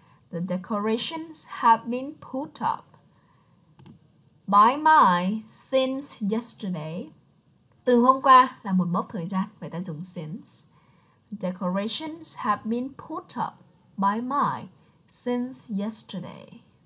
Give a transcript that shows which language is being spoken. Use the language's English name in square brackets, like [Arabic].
[English] The decorations have been put up by my since yesterday. [Vietnamese] Từ hôm qua là một mốc thời gian, vậy ta dùng since. [English] Decorations have been put up by my since yesterday.